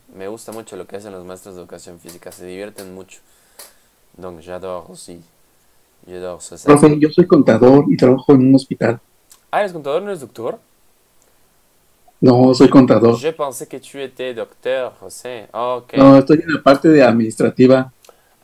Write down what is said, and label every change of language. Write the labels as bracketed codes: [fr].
[es] Me gusta mucho lo que hacen los maestros de educación física. Se divierten mucho. [fr] Donc, j'adore, sí. J'adore ce ça. [es] Profe, yo soy contador y trabajo en un hospital. Ah, ¿eres contador? ¿No eres doctor? No, soy contador. [fr] Je pensais que tu étais docteur, José. [es] Ok. No, estoy en la parte de administrativa del